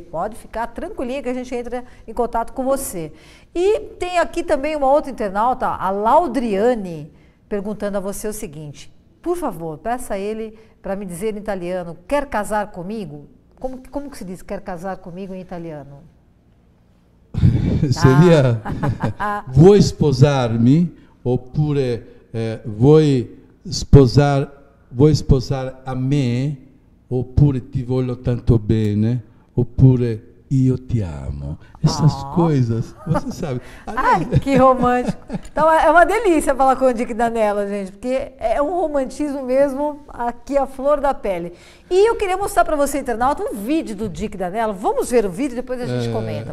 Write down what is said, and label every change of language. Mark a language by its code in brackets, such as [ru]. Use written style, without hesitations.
[pt] Pode ficar tranquilinha que a gente entra em contato com você. E tem aqui também uma outra internauta, a Laudriane, perguntando a você o seguinte. Por favor, peça a ele para me dizer em italiano, quer casar comigo? Como que se diz quer casar comigo em italiano? [it] Seria vuoi sposarmi oppure vuoi sposar a me oppure ti voglio tanto bene oppure io ti amo. [pt] Essas coisas, você sabe. Ai, que romântico. Então é uma delícia falar com o Dick Danella, gente, porque é um romantismo mesmo aqui a flor da pele. E eu queria mostrar para você, internauta, um vídeo do Dick Danella. Vamos ver o vídeo e depois a gente comenta.